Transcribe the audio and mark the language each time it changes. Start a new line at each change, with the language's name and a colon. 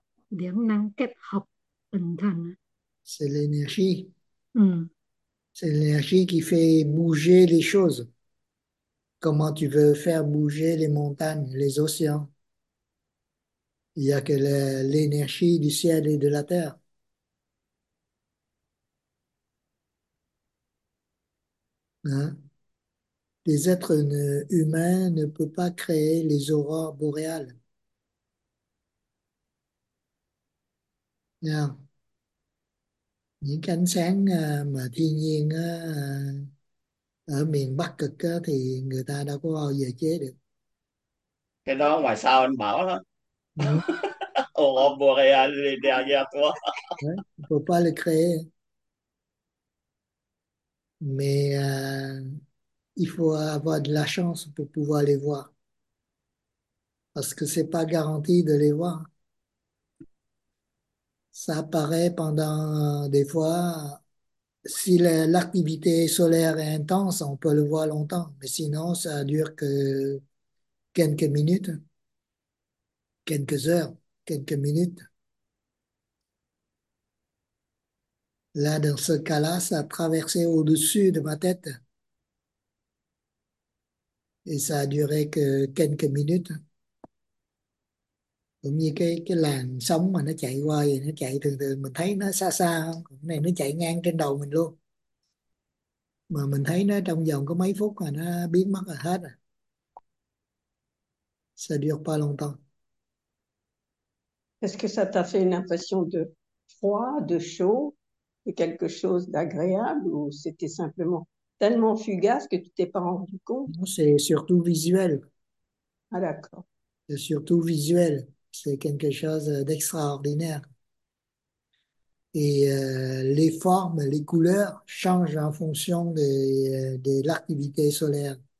Vietnamese: Điện năng kết hợp tinh thần.
French: C'est l'énergie. C'est l'énergie qui fait bouger les choses. Comment tu veux faire bouger les montagnes, les océans? Il n'y a que l'énergie du ciel et de la terre. Hein? Les êtres humains ne peuvent pas créer les aurores boréales. Non.
Vietnamese: Những cái ánh sáng mà thiên nhiên ở miền Bắc Cực thì người ta đâu có bao giờ chế được. Cái đó ngoài sao anh bảo Đúng.
French: Aurore boréale derrière toi. Ne peut pas le créer. Mais il faut avoir de la chance pour pouvoir les voir. Parce que c'est pas garanti de les voir. Ça apparaît pendant des fois, si l'activité solaire est intense, on peut le voir longtemps, mais sinon, ça dure que quelques minutes, quelques heures, quelques minutes. Là, dans ce cas-là, ça a traversé au-dessus de ma tête et ça a duré que quelques minutes.
Vietnamese: Cũng như cái làn sóng mà nó chạy qua thì nó chạy từ từ, mình thấy nó xa xa không? Cái này nó chạy ngang trên đầu mình luôn, mà mình thấy nó trong vòng có mấy phút là nó biến mất rồi, hết rồi,
French: ça dure pas longtemps. Est-ce que ça t'a fait une impression de froid, de chaud, de quelque chose d'agréable ou c'était simplement tellement fugace que tu t'es pas rendu compte? C'est surtout visuel, Ah, d'accord. c'est surtout visuel. C'est quelque chose d'extraordinaire. Et les formes, les couleurs changent en fonction de l'activité solaire.